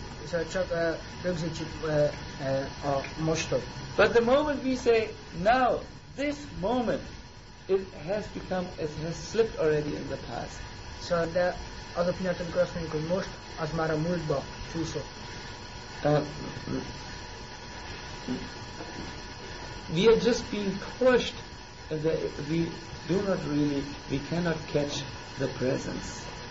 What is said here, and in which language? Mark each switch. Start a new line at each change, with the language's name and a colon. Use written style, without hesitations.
Hungarian: Szóval csak rögzítsük a mostot.
English: But the moment we say now, this moment, it has become, it has slipped already in the past.
Hungarian: Szóval de az a pillanat, amikor azt mondjuk, hogy most, az már a múltba csúszott.
English: We are just being pushed, that we do not really, we cannot catch the presence.